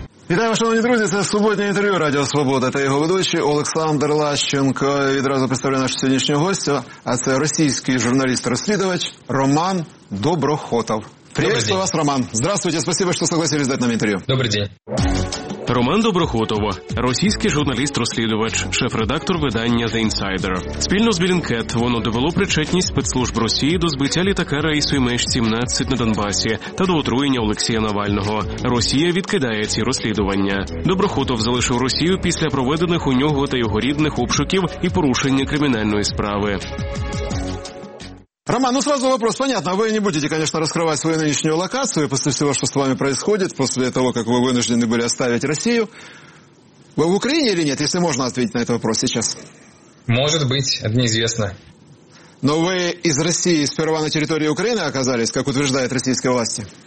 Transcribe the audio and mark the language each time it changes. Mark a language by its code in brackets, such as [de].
[uk] Вітаємо, шановні друзі, це суботнє інтерв'ю Радіо Свобода та його ведучий Олександр Лащенко. Відразу представлю нашого сьогоднішнього гостя, а це російський журналіст-розслідувач Роман Доброхотов. [ru] Приветствую вас, Роман. Здравствуйте, спасибо, что согласились дать нам интервью. Добрый день. [uk] Роман Доброхотов, російський журналіст-розслідувач, шеф-редактор видання The Insider. Спільно з Bellingcat воно довело причетність спецслужб Росії до збиття літака рейсу MH17 на Донбасі та до отруєння Олексія Навального. Росія відкидає ці розслідування. Доброхотов залишив Росію після проведених у нього та його рідних обшуків і порушення кримінальної справи. [ru] Роман, ну сразу вопрос. Понятно, вы не будете, конечно, раскрывать свою нынешнюю локацию после всего, что с вами происходит, после того, как вы вынуждены были оставить Россию. Вы в Украине или нет, если можно ответить на этот вопрос сейчас? Может быть, это неизвестно. Но вы из России сперва на территории Украины оказались, как утверждают российские власти?